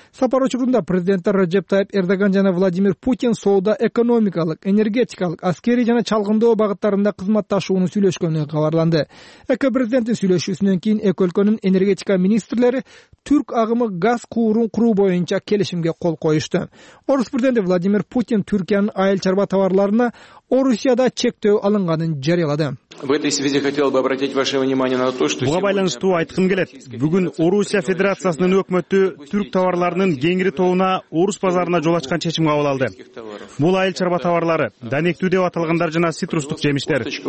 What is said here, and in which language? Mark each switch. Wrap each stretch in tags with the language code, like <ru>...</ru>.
<ky>Сапар учурунда президент Реджеп Тайип Эрдоган жана Владимир Путин соода, экономикалык, энергетикалык, аскерий жана чалгындоо багыттарында кызматташууну сүйлөшкөнү кабарланды. Эки президенттин сүйлөшүүсүнөн кийин эки өлкөнүн энергетика министрлери түрк агымы газ куурун куруу боюнча келишимге кол коюшту. Орус президенти Владимир Путин Түркиянын айыл чарба товарларына Орусияда чектөө алынганын жарыялады.</ky> <ru>В этой связи хотел бы обратить ваше внимание на то, что</ru> <ky>буга байланыштуу айткым келет. Бүгүн Орусия Федерациясынын өкмөтү түрк товарларынын Кеңири тобуна орус базарына жол ачкан чечим кабыл алды. Бул айыл чарба товарлары, данектүү деп аталгандар жана цитрустук жемиштер.</ky>